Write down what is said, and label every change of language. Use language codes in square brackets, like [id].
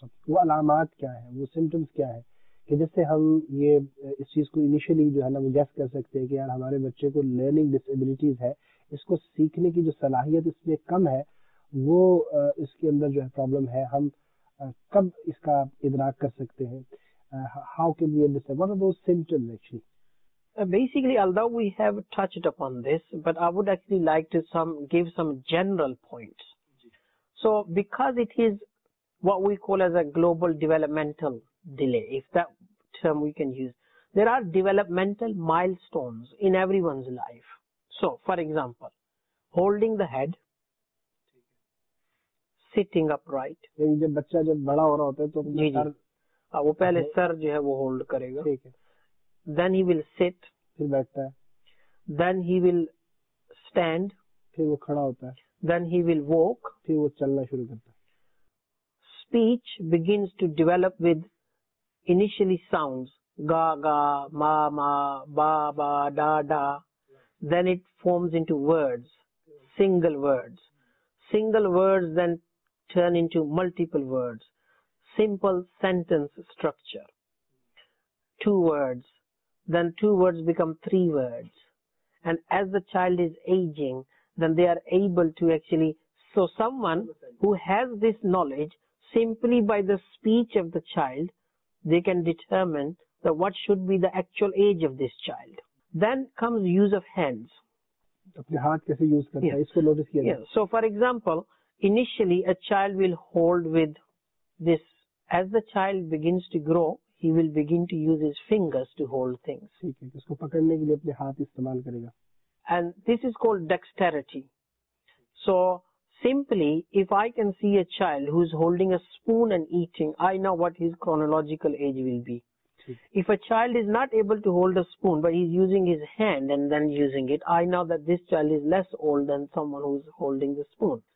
[hi] वो अलामात क्या है, वो सिम्टम्स क्या है कि जिससे हम ये इस चीज को इनिशियली जो है ना वो गेस कर सकते हैं कि यार हमारे बच्चे को लर्निंग डिसेबिलिटीज है, इसको सीखने की जो सलाहियत इसमें कम है, वो इसके अंदर जो है प्रॉब्लम है, हम कब इसका इदराक कर सकते हैं। [en] How can we understand, what are those symptoms actually? Basically, although we have touched upon this, but I would actually like to give some general points. So, because it is what we call as a global developmental delay, if that term we can use, there are developmental milestones in everyone's life. So, for example, holding the head, sitting upright. [hi] यानी जब बच्चा जब बड़ा हो रहा होता है तो जी जी वो पहले सर जो है वो hold करेगा, ठीक है, [en] then he will sit, [hi] फिर बैठता है, [en] then he will stand, [hi] फिर वो खड़ा होता है, [en] then he will walk, [hi] फिर वो चलना शुरू करता है, [en] speech begins to develop with initially sounds ga ga ma ma ba ba da da, then it forms into words, single words, single words then turn into multiple words, simple sentence structure, two words, then two words become three words, and as the child is aging then they are able to actually, so someone who has this knowledge simply by the speech of the child, they can determine that what should be the actual age of this child. Then comes use of hands. [hi] अपने हाथ कैसे use करता है, इसको notice किया जाए। [en] So for example, initially a child will hold with this. As the child begins to grow, he will begin to use his fingers to hold things. [hi] ठीक है, इसको पकड़ने के लिए अपने हाथ इस्तेमाल करेगा। [en] And this is called dexterity. So simply, if I can see a child who is holding a spoon and eating, I know what his chronological age will be. If a child is not able to hold a spoon but he is using his hand and then using it, I know that this child is less old than someone who is holding the spoon.